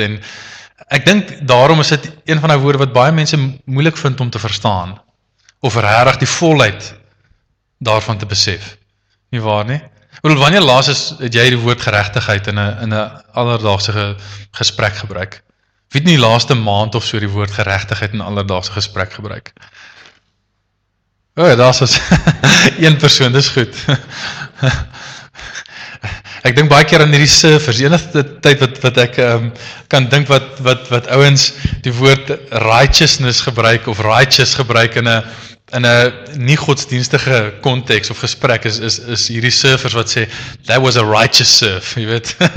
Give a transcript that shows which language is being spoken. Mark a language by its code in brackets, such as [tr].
[af] En ek dink daarom is dit een van die woorde wat baie mense moeilik vind om te verstaan of regtig die volheid daarvan te besef. Nie waar nie? Wel, wanneer laas het jy die woord geregtigheid in 'n alledaagse gesprek gebruik? Wie het nie laaste maand of so die woord geregtigheid in 'n alledaagse gesprek gebruik? O, daar's as een persoon, dis goed. Ek dink baie keer aan hierdie surfers. Die enigste tyd wat ek kan dink wat ouens die woord righteousness gebruik of righteous gebruik in 'n nie godsdienstige konteks of gesprek is hierdie surfers wat sê [en] that was a righteous surf, [af] jy weet.